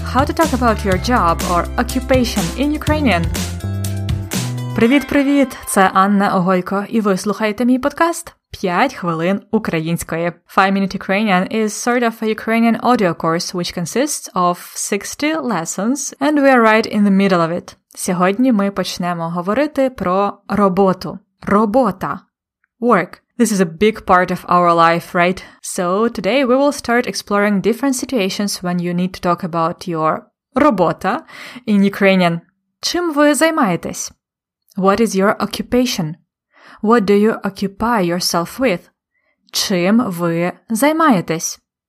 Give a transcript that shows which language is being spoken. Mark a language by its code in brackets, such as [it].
[en] How to talk about your job or occupation in Ukrainian. [uk] Привіт-привіт! Це Анна Огойко, і ви слухаєте мій подкаст «5 хвилин української». [en] 5 Minute Ukrainian is sort of a Ukrainian audio course, which consists of 60 lessons, and we are right in the middle of it. [uk] Сьогодні ми почнемо говорити про роботу. Робота. [en] Work. This is a big part of our life, right? So today we will start exploring different situations when you need to talk about your робота in Ukrainian. [uk] Чим ви займаєтесь? [en] What is your occupation? What do you occupy yourself with? [uk] Чим ви займаєтесь?